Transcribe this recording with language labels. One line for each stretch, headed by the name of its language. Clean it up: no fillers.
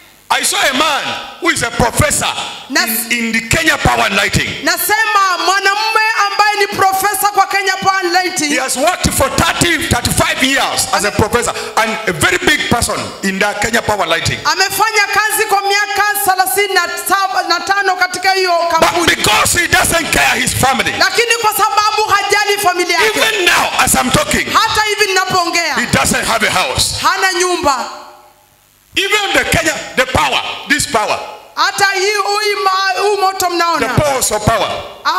English: I saw a man who is a professor in the Kenya Power and Lighting.
Swahili: Nasema mwanamume ambaye ni professor kwa Kenya Power and Lighting.
English: He has worked for 35 years as a professor and a very big person in the Kenya Power and Lighting.
Swahili: Amefanya kazi kwa miaka 35 katika hiyo kampuni.
English: But because he doesn't care his family.
Swahili: Lakini kwa sababu hajali familia yake.
English: Even now as I'm talking.
Swahili: Hata hivi ninapoongea.
English: He doesn't have a house.
Swahili: Hana nyumba.
English: Even the Kenya, the power, this power.
Swahili: Hata hii moto mnaona.
English: The power of power.